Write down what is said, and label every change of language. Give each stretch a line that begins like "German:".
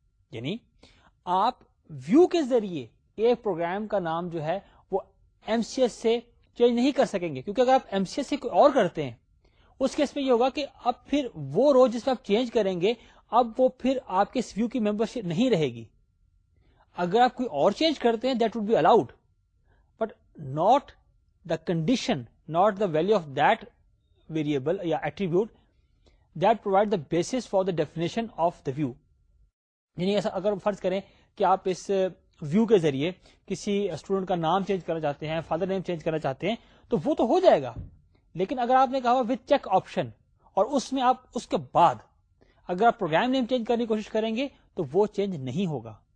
Urdu: یعنی آپ ویو کے ذریعے ایک پروگرام کا نام جو ہے وہ ایم سی ایس سے چینج نہیں کر سکیں گے, کیونکہ اگر آپ ایم سی ایس سے کوئی اور کرتے ہیں اس کیس میں یہ ہوگا کہ اب پھر وہ رو جس میں آپ چینج کریں گے اب وہ پھر آپ کے اس ویو کی ممبر شپ نہیں رہے گی. اگر آپ کوئی اور چینج کرتے ہیں
English: That would be allowed, but not the condition, not the value of that variable یا attribute that provide the basis for the definition of the view.
Urdu: یعنی ایسا اگر فرض کریں کہ آپ اس ویو کے ذریعے کسی اسٹوڈنٹ کا نام چینج کرنا چاہتے ہیں, فادر نیم چینج کرنا چاہتے ہیں, تو وہ تو ہو جائے گا, لیکن اگر آپ نے کہا وتھ چیک آپشن اور اس میں آپ اس کے بعد اگر آپ پروگرام نیم چینج کرنے کی کوشش کریں گے تو وہ چینج نہیں ہوگا.